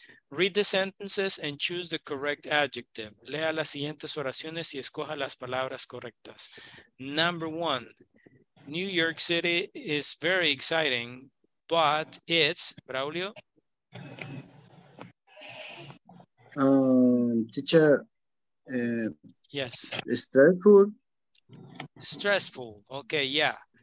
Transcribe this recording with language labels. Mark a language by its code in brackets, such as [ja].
[en] Read the sentences and choose the correct adjective. [es] Lea las siguientes oraciones y escoja las palabras correctas. [en] Number one, New York City is very exciting, but it's, Braulio? Teacher. Yes. Stressful. Stressful, okay, yeah.